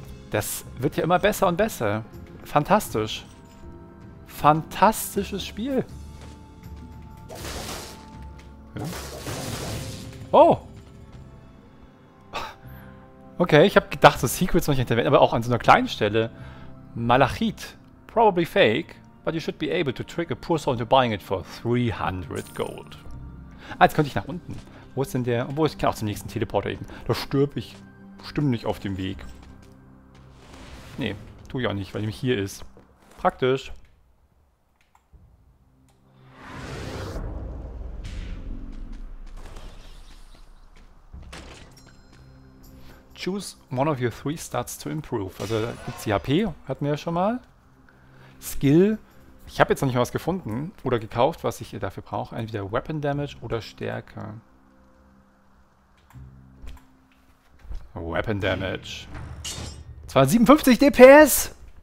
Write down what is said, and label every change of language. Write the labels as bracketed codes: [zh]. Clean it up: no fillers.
[de] Das wird ja immer besser und besser. Fantastisch. Fantastisches Spiel. Ja. Oh. Okay, ich habe gedacht, so Secrets muss ich hinterwenden, aber auch an so einer kleinen Stelle. [en] Malachit. Probably fake. But you should be able to trick a poor soul into buying it for 300 gold. [de] Ah, jetzt könnte ich nach unten. Wo ist denn der? Wo ist? Ich kann auch zum nächsten Teleporter eben. Da stirb ich bestimmt nicht auf dem Weg. Nee, tue ich auch nicht, weil ich mich hier ist. Praktisch. Tschüss. [en] choose one of your three stats to improve. [de] Also da gibt's die HP, hatten wir ja schon mal. Skill. Ich habe jetzt noch nicht mal was gefunden oder gekauft, was ich dafür brauche. Entweder Weapon Damage oder Stärke. Weapon Damage. 257 DPS!